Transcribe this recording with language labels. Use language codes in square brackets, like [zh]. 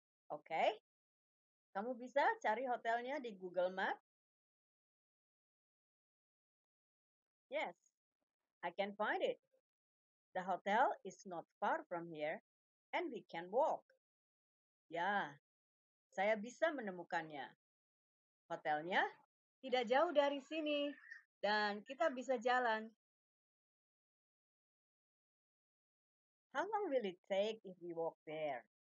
[id] Okay. Kamu bisa cari hotelnya di Google Map? [en] Yes. I can find it. The hotel is not far from here and we can walk. [id] Ya. Saya bisa menemukannya. Hotelnya tidak jauh dari sini dan kita bisa jalan. [en] How long will it take if we walk there?